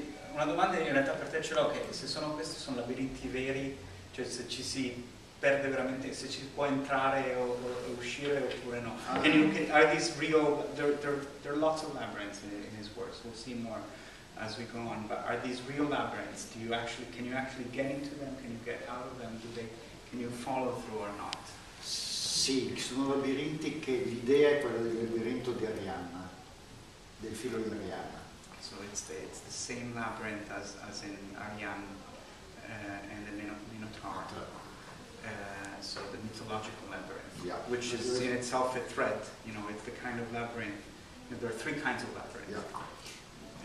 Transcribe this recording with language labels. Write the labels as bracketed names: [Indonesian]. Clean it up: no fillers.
[Italian] Una domanda in realtà per te ce l'ho, che se sono questi sono labirinti veri, cioè se ci si perde veramente, se ci può entrare o uscire oppure no. [English] Are these real? There are lots of labyrinths in his works. We'll see more as we go on. But are these real labyrinths? Can you actually get into them? Can you get out of them? Can you follow through or not? [Italian] Sì, sono labirinti che l'idea è quella del labirinto di Arianna, del filo di Arianna. [English] So it's the same labyrinth as in Ariane and the Minotaur. So the mythological labyrinth, yeah. Which is in itself a threat. You know, it's the kind of labyrinth. You know, there are three kinds of labyrinth. Yeah.